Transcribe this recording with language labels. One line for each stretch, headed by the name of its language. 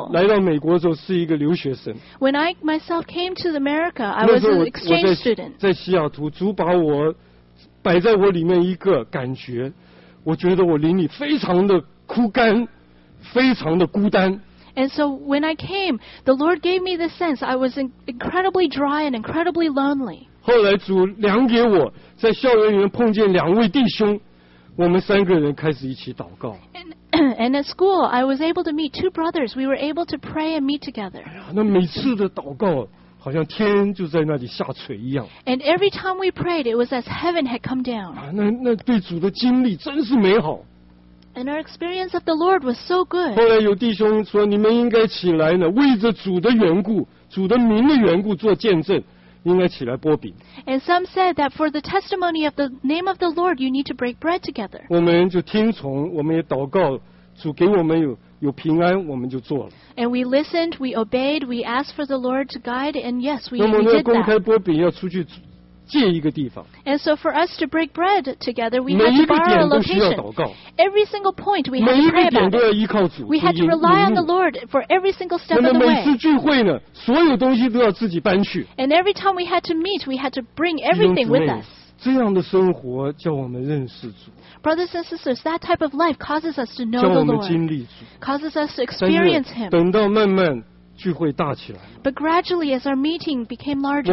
Chinese: 我自己来到美国的时候是一个留学生
English: when I myself came to America I was an exchange student
Chinese: 在西雅图主把我摆在我里面一个感觉，我觉得我灵里非常的枯干，非常的孤单。
English: And so when I came, the Lord gave me the sense I was incredibly dry and incredibly lonely.
Chinese: 后来主量给我，在校园里面碰见两位弟兄，我们三个人开始一起祷告。
English: And at school, I was able to meet two brothers. We were able to pray and meet together.
Chinese: 那每次的祷告，好像天就在那里下垂一样。
English: And every time we prayed, it was as heaven had come down.
Chinese: 那对主的经历真是美好。
English: And our experience of the Lord was so good.
Chinese: 后来有弟兄说，你们应该起来呢，为着主的缘故，主的名的缘故做见证，应该起来擘饼。
English: And some said that for the testimony of the name of the Lord, you need to break bread together.
Chinese: 我们就听从，我们也祷告，主给我们有平安，我们就做了。
English: And we listened, we obeyed, we asked for the Lord to guide, and yes, we did that.
Chinese: 那么要公开擘饼，要出去借一个地方。
English: And so for us to break bread together, we had to borrow a location. Every single point we had to pray about it. We had to rely on the Lord for every single step of the way.
Chinese: 那么每次聚会呢，所有东西都要自己搬去。
English: And every time we had to meet, we had to bring everything with us.
Chinese: 这样的生活叫我们认识主。
English: Brothers and sisters, that type of life causes us to know the Lord.
Chinese: 叫我们经历主。
English: Causes us to experience Him.
Chinese: 等到慢慢聚会大起来。
English: But gradually, as our meeting became larger,